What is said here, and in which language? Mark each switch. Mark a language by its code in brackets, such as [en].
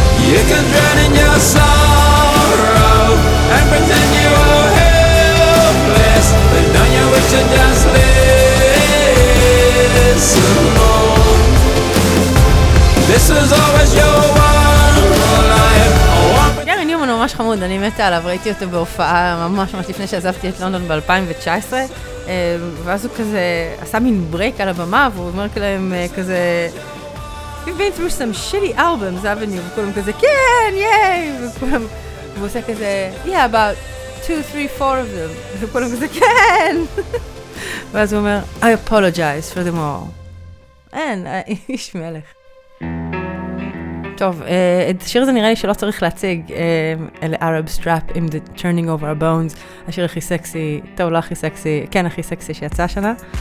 [en] You can drown in your sorrow and pretend you are helpless, but don't you wish to just listen? This is always your one life. [he] ממש חמוד, אני מתה עליו, ראיתי אותו בהופעה ממש ממש לפני שעזבתי את לונדון ב-2019, ואז הוא כזה עשה מין ברייק על הבמה, והוא אומר כלהם כזה [en] We've been through some shitty albums, avenue, [he] וכולם כזה כן, ייי, וכולם, והוא עושה כזה [en] Yeah, about 2-3-4 of them, [he] וכולם כזה כן. ואז הוא אומר [en] I apologize for them all. [he] אין, איש מלך. טוב, את השיר הזה נראה לי שלא צריך להציג, אלה Arab Strap עם The Turning Over Our Bones, השיר הכי סקסי, טוב, לא הכי סקסי, כן, הכי סקסי שיצא השנה.